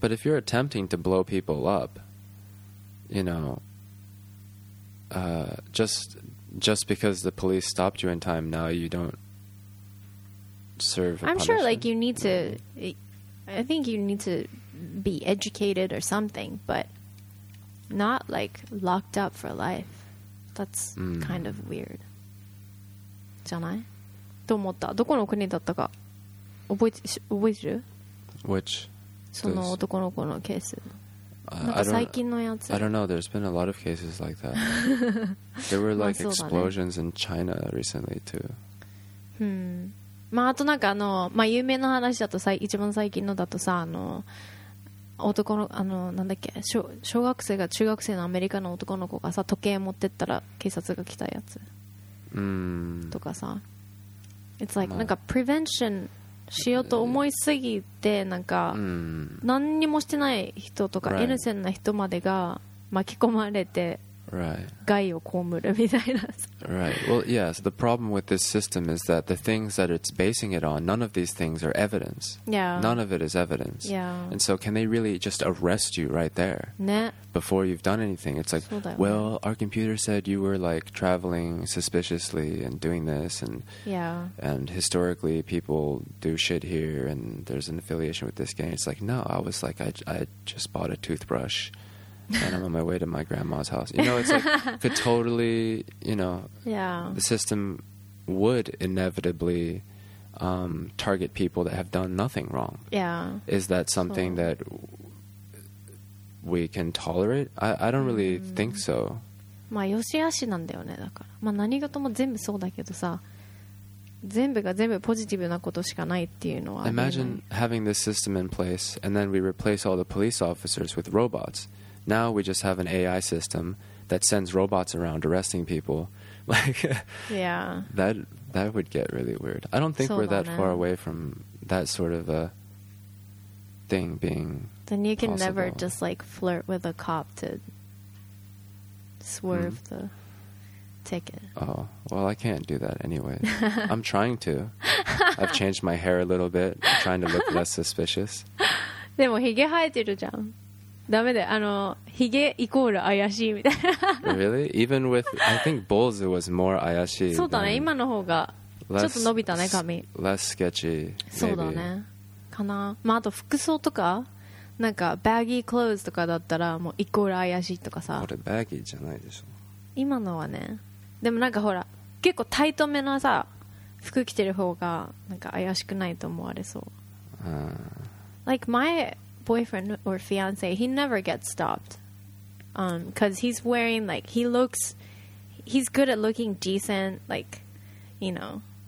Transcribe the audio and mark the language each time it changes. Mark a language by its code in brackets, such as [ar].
[en] but if you're attempting to blow people up, just because the police stopped you in time, now you don't serve a punishment. Sure, like, you need to, I think you need to be educated or something, but not, like, locked up for life. That's kind of weird. [ja] じゃない?と思った。どこの国だったか覚えてる? [en] Which? [ja] その男の子のケース。なんか最近のやつ。 [en] I don't know. There's been a lot of cases like that. There were like explosions in China recently too. Hmm. [ja] まあ、あとなんかあの、まあ、有名な話だとさ、一番最近のだとさ、あの男の、あのなんだっけ、小学生が中学生のアメリカの男の子がさ、時計持ってったら警察が来たやつ、とかさ、 [en] It's like、 [ja] まあ、なんか prevention しようと思いすぎて、なんか何にもしてない人とか、エヌセンな人までが巻き込まれて害を被るみたいな。 [en] Right. Well, yeah. So the problem with this system is that the things that it's basing it on, none of these things are evidence. Yeah. None of it is evidence. Yeah. And so can they really just arrest you right there? [ja] ね。 [en] Before you've done anything. It's like, well, our computer said you were like traveling suspiciously and doing this, and yeah. And historically people do shit here and there's an affiliation with this gang. It's like, no, I was like, I just bought a toothbrush. And I'm on my way to my grandma's house. You know, it's like, could totally, you know, yeah. The system would inevitably target people that have done nothing wrong. Yeah. Is that something so. That we can tolerate? I don't really think so. [ja] まあ、よしあしなんだよね、だから。まあ、何事も全部そうだけどさ、全部が全部ポジティブなことしかないっていうのは。 [en] Imagine having this system in place, and then we replace all the police officers with robots. Now we just have an AI system that sends robots around arresting people. Like, yeah. That would get really weird. I don't think we're that far away from that sort of a thing being possible. Then you can possible. Never just like flirt with a cop to swerve the ticket. Oh, well, I can't do that anyway. I'm trying to. I've changed my hair a little bit. I'm trying to look less suspicious. [ja] でもヒゲ生えてるじゃん。ダメだよ、あのヒゲイコール怪しいみたいな。 [en] Really? Even with I think bulls it was more 怪しい。 [ja] そうだね、今の方がちょっと伸びたね、髪。 [en] Less sketchy、maybe. [ja] そうだね、かな。まああと服装とか、なんかバッギークローズとかだったらもうイコール怪しいとかさ。これバッギーじゃないでしょ。今のはね、でもなんかほら結構タイトめのさ服着てる方がなんか怪しくないと思われそう。 [en] Like myboyfriend or fiance, he never gets stopped because he's wearing like he looks he's good at looking decent, like, you know,